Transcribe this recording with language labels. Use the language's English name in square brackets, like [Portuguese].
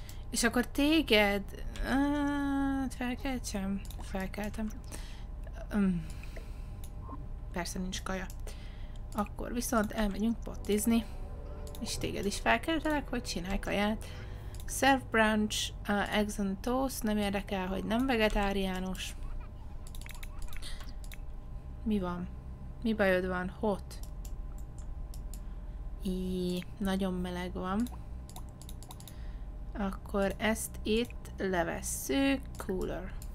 [Hungarian] És akkor téged... felkeltsem? Felkeltem. Persze nincs kaja. Akkor viszont elmegyünk pottizni. És téged is felkeltelek, hogy csinálj kaját. [English] Serve brunch, eggs and toast. [Hungarian] Nem érdekel, hogy nem vegetáriános. Mi van? Mi bajod van? [English] Hot. [Hungarian] Nagyon meleg van. Akkor ezt itt levesszük, [English] cooler.